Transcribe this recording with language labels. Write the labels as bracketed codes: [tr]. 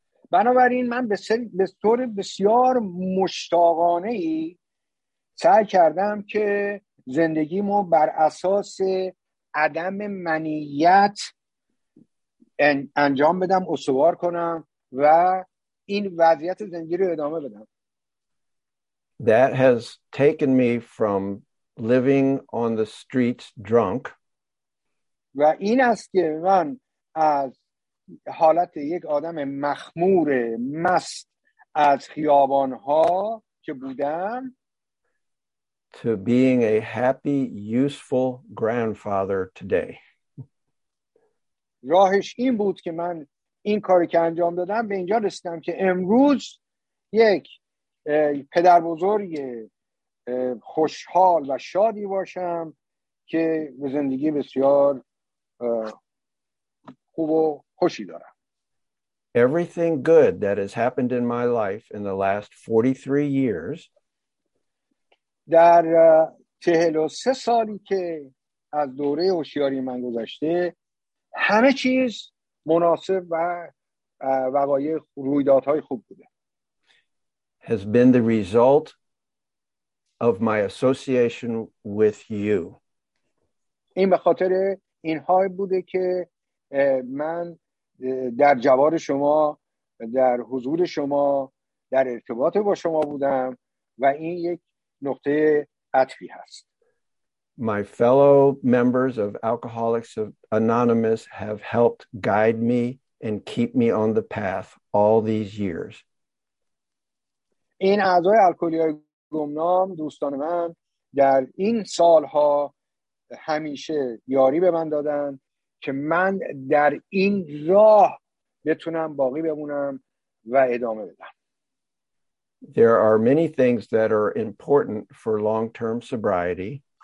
[fa] بنابراین من به طور بسیار مشتاقانه ای سعی کردم که زندگیمو بر اساس عدم منیت انجام بدم، استوار کنم و این وضعیت زندگی رو ادامه بدم. [en] That has taken me from living on the streets drunk. [fa] و این است که من از حالت یک آدم مخمور مست از خیابان‌ها که بودم [en] to being a happy useful grandfather today. [fa] راهش این بود که من این کاری که انجام دادم به اینجا رسیدم که امروز یک پدر بزرگ خوشحال و شادی باشم که زندگی بسیار خوب و خوشی دارم. [en] Everything good that has happened in my life in the last 43 years [fa] در 43 سالی که از دوره هوشیاری من گذشته همه چیز مناسب و وقایع رویدادهای خوب بوده. [en] Has been the result of my association with you. [fa] این به خاطر اینها بوده که من در جوار شما، در حضور شما، در ارتباط با شما بودم و این یک نقطه عطفی هست. [en] My fellow members of Alcoholics Anonymous have helped guide me and keep me on the path all these years. [fa] این اعضای الکلی‌های گمنام دوستان من در این سال‌ها همیشه یاری به من دادن که من در این راه بتونم باقی بمونم و ادامه بدم. [en] There are many things that are important for long-term sobriety.